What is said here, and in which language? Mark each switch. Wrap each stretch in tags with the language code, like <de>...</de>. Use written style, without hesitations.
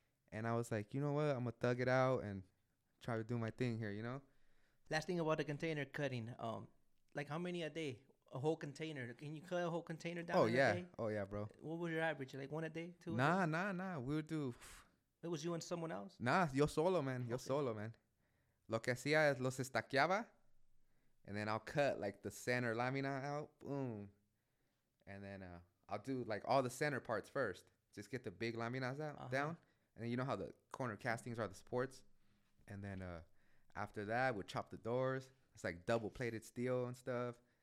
<en>And I was like, you know what? I'm going to thug it out and try to do my thing here, you know? Last thing about the container cutting. Like, how many a day? A whole container. Can you cut a whole container down a day? Oh, yeah, bro. What was your average? Like, one a day? Two? Nah. We would do... It was you and someone else?</en> <es>Nah, yo solo, man. Okay. Yo solo, man. Lo que hacía es los estaqueaba.</es> <en>And then I'll cut, like, the center lamina out. Boom. And then I'll do, like, all the center parts first. Just get the big laminas out, down. And then you know how the corner castings are, the supports. And then after that, we'll chop the doors. It's, like, double-plated steel and stuff.</en>